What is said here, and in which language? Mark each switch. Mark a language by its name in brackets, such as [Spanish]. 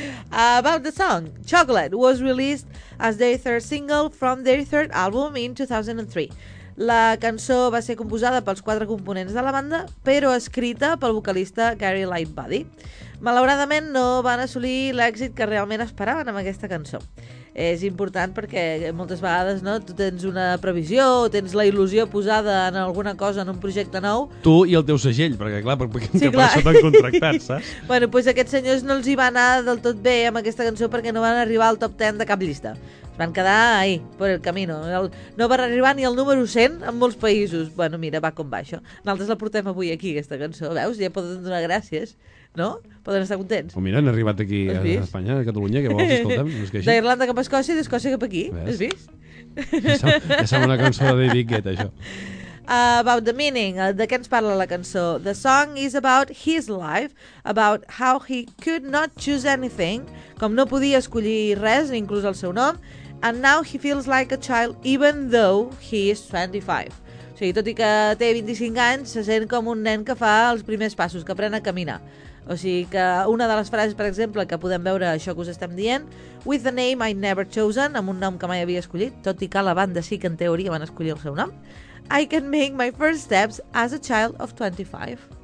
[English] About the song, Chocolate was released as their third single from their third album in 2003. [Catalan] La cançó va ser composada pels quatre components de la banda, però escrita pel vocalista Gary Lightbody. Malauradament, no van assolir l'èxit que realment esperaven amb aquesta cançó. És important perquè moltes vegades, no, tu tens una previsió, tens la il·lusió posada en alguna cosa, en un projecte nou. Tu i el teu segell, perquè clar, per això t'han contractat, saps? Bueno, doncs aquests senyors no els hi va anar del tot bé amb aquesta cançó perquè no van arribar al top 10 de cap llista. Es van quedar ahí, [Spanish] por el camino. [Catalan] No van arribar ni al número 100 en molts països. Bueno, mira, va com va això. Nosaltres la portem avui aquí, aquesta cançó, veus? Ja poden donar gràcies. No? Poden estar contents. Mira, han arribat aquí a Espanya, a Catalunya, que vols, escolta'm, no és que així. D'Irlanda cap a Escòcia i d'Escòcia cap aquí, has vist? Ja sembla una cançó de David Guetta, això. [English] About the meaning, [Catalan] de què ens parla la cançó? [English] The song is about his life, about how he could not choose anything, [Catalan] com no podia escollir res, inclús el seu nom, [English] and now he feels like a child even though he is 25. [Catalan] O sigui, tot i que té 25 anys, se sent com un nen que fa els primers passos, que aprèn a caminar. O sigui que una de les frases, per exemple, que podem veure això que us estem dient, [English] with the name I never chosen, [Catalan] amb un nom que mai havia escollit, tot i que la banda sí que en teoria van escollir el seu nom, [English] I can make my first steps as a child of 25.